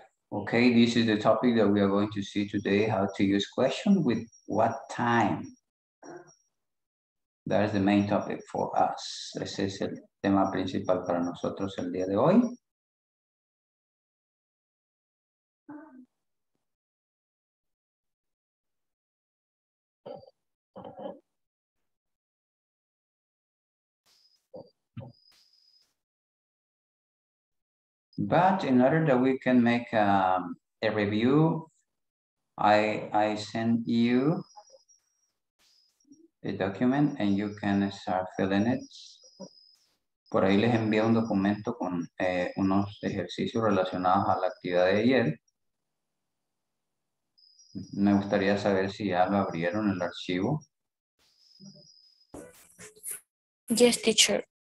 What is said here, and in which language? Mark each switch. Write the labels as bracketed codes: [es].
[en] Okay, this is the topic that we are going to see today, how to use question with what time. That is the main topic for us. [es] Ese es el tema principal para nosotros el día de hoy. [en] But in order that we can make a review, I send you a document and you can start filling it. [es] Por ahí les envío un documento con unos ejercicios relacionados a la actividad de ayer. Me gustaría saber si ya lo abrieron el archivo. [en] Yes, teacher.